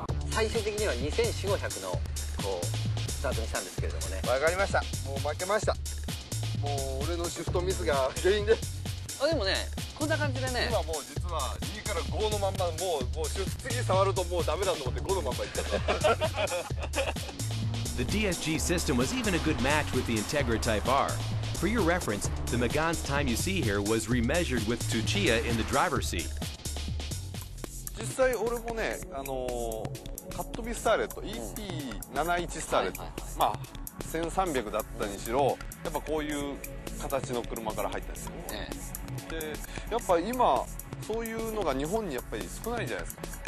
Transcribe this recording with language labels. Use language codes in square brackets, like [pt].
[ja] 最終的には24500のこうスタートにしたんですけれどもね。わかりました。もう負けました。もう俺のシフトミスが原因です。あでもねこんな感じでね。今もう実は2から5のまんまもう次触るともうダメだと思って5のまんまいっちゃった。 [en] The DSG system was even a good match with the Integra Type R. For your reference, the Megane's time you see here was remeasured with Tuchia in the driver's seat. [ja] 実際俺もね、カットビスターレット、うん、EP71 スターレット、はいはいはい、まあ1300だったにしろ、うん、やっぱこういう形の車から入ったんですよ、ね、でやっぱ今そういうのが日本にやっぱり少ないじゃないですか。